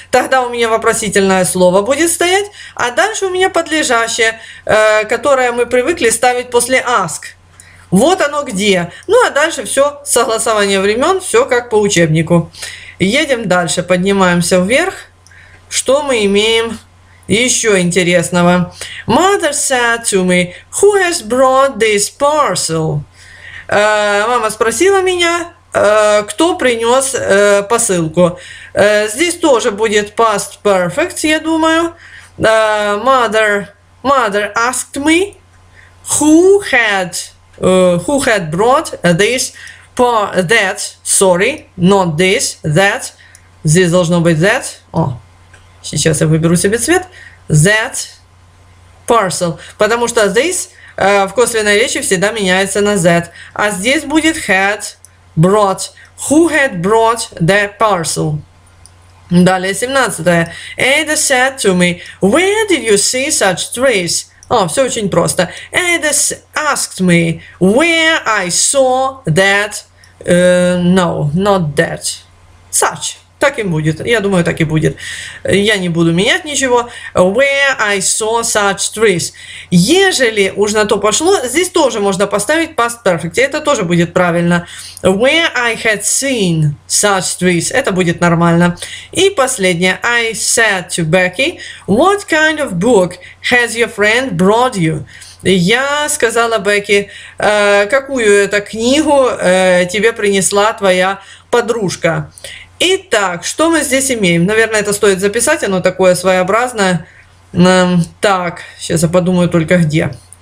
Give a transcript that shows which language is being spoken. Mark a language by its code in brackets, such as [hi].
[ru] Тогда у меня вопросительное слово будет стоять, а дальше у меня подлежащее, которое мы привыкли ставить после ask. Вот оно где. Ну а дальше все согласование времен, все как по учебнику. Едем дальше, поднимаемся вверх. Что мы имеем еще интересного? [en] Mother said to me, who has brought this parcel? [ru] Мама спросила меня, кто принес посылку. Здесь тоже будет past perfect, я думаю. [en] Mother asked me, who had brought this that, sorry, not this, that. [ru] Здесь должно быть that. О, сейчас я выберу себе цвет. [en] That parcel. [ru] Потому что this в косвенной речи всегда меняется на that. А здесь будет [en] had brought. Who had brought the parcel? [ru] Далее, 17-е. [en] Ada said to me, where did you see such trees? [ru] О, все очень просто. [en] Ada asked me, where I saw that... no, not that. Such. [ru] Так и будет. Я думаю, так и будет. Я не буду менять ничего. [en] Where I saw such trees. [ru] Ежели уж на то пошло, здесь тоже можно поставить past perfect. Это тоже будет правильно. [en] Where I had seen such trees. [ru] Это будет нормально. И последнее. [en] I said to Becky, what kind of book has your friend brought you? [ru] Я сказала Бекки, какую это книгу тебе принесла твоя подружка? Итак, что мы здесь имеем? Наверное, это стоит записать, оно такое своеобразное. Так, сейчас я подумаю только где.